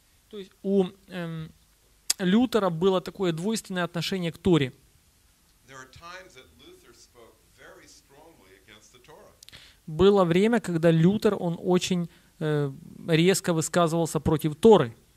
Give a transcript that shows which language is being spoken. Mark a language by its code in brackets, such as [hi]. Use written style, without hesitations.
[ru] То есть у Лютера было такое двойственное отношение к Торе. [en] There are times that Luther spoke very strongly against the Torah. [ru] Было время, когда Лютер, он очень резко высказывался против Торы.